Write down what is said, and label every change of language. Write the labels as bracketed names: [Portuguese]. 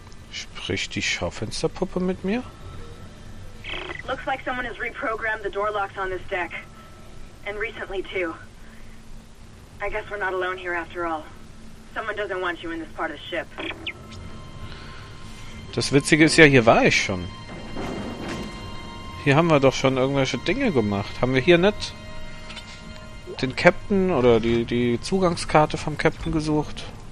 [German] Spricht die Schaufensterpuppe mit mir? [English] Looks like someone has reprogrammed the door locks on this deck. And recently too. I guess we're not alone here after all. Someone doesn't want you in this part of the ship. [German] Das Witzige ist ja, hier war ich schon. Hier haben wir doch schon irgendwelche Dinge gemacht. Haben wir hier nicht den Captain oder die Zugangskarte vom Captain gesucht?